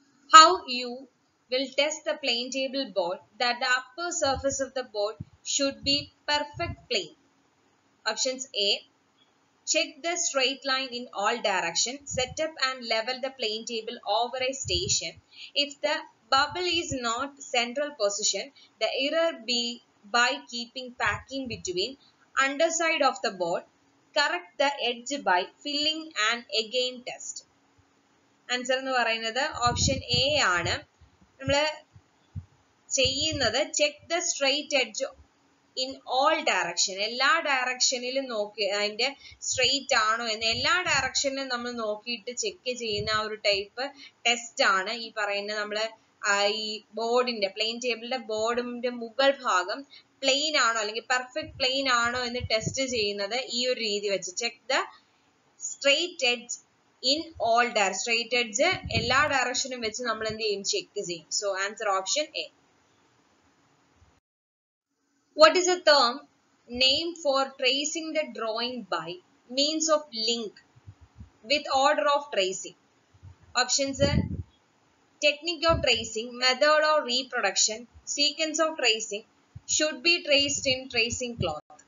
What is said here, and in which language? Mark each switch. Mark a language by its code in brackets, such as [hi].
[en] How you will test the plane table board that the upper surface of the board should be perfect plane? Options A, check the straight line in all direction, set up and level the plane table over a station. If the bubble is not central position, the error be by keeping packing between underside of the board, correct the edge by filling and again test. [ml] Answer nu parayunnathu option A aanu. Nammal cheyyunnathu [en] check the straight edge in all direction, [ml] ella direction il nokki adinte straight aano enna ella direction il nammal nokkiittu check cheyina oru type test aanu ee parayunna nammal ഈ ബോർഡിന്റെ plain ടേബിളിന്റെ ബോർഡിന്റെ മുകൾ ഭാഗം plain ആണോ അല്ലെങ്കിൽ perfect plain ആണോ എന്ന് ടെസ്റ്റ് ചെയ്യുന്നത് ഈ ഒരു രീതി വെച്ച്. [en] check the straight edge in all dir, straight edge [ml] എല്ലാ ഡയറക്ഷനും വെച്ച് നമ്മൾ എന്ത് ചെയ്യും? ചെക്ക് ചെയ്യും. [en] So answer option A. What is the term name for tracing the drawing by means of link with order of tracing? Options are technique of tracing, method of reproduction, sequence of tracing, should be traced in tracing cloth.